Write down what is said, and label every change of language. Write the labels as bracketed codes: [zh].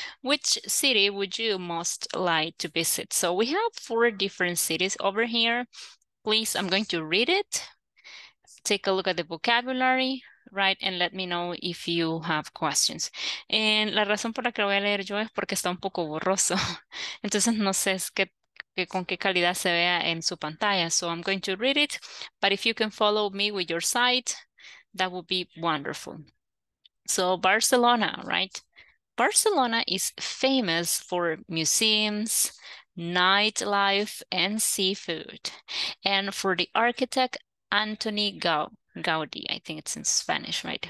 [en] Which city would you most like to visit? So we have four different cities over here. Please, I'm going to read it. Take a look at the vocabulary, right? And let me know if you have questions. [es] And la razón por la que lo voy a leer yo es porque está un poco borroso. Entonces no sé con qué calidad se vea en su pantalla. [en] So I'm going to read it. But if you can follow me with your sight, that would be wonderful. So Barcelona, right? Barcelona is famous for museums, nightlife, and seafood. And for the architect, Antoni Gaudi, I think it's in Spanish, right?